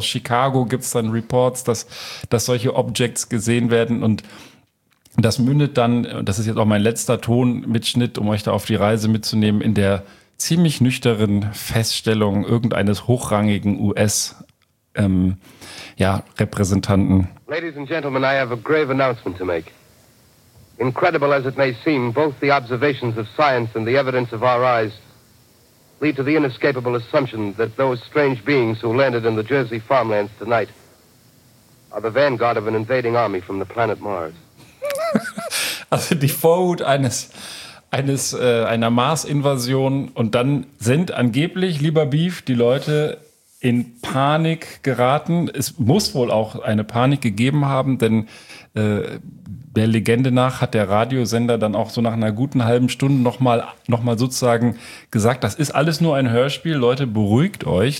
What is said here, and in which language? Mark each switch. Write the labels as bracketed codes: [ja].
[de] Aus Chicago gibt es dann Reports, dass solche Objects gesehen werden und das mündet dann, das ist jetzt auch mein letzter Tonmitschnitt, um euch da auf die Reise mitzunehmen, in der ziemlich nüchternen Feststellung irgendeines hochrangigen US-Repräsentanten. [en] Ladies and gentlemen, I have a grave announcement to make. Incredible as it may seem, both the observations of science and the evidence of our eyes lead to the inescapable assumption that those strange beings who landed in the Jersey farmlands tonight are the vanguard of an invading army from the planet Mars. [de] Also die Vorhut einer Mars-Invasion und dann sind angeblich, lieber Beef, die Leute in Panik geraten. Es muss wohl auch eine Panik gegeben haben, denn der Legende nach hat der Radiosender dann auch so nach einer guten halben Stunde nochmal sozusagen gesagt, das ist alles nur ein Hörspiel, Leute, beruhigt euch.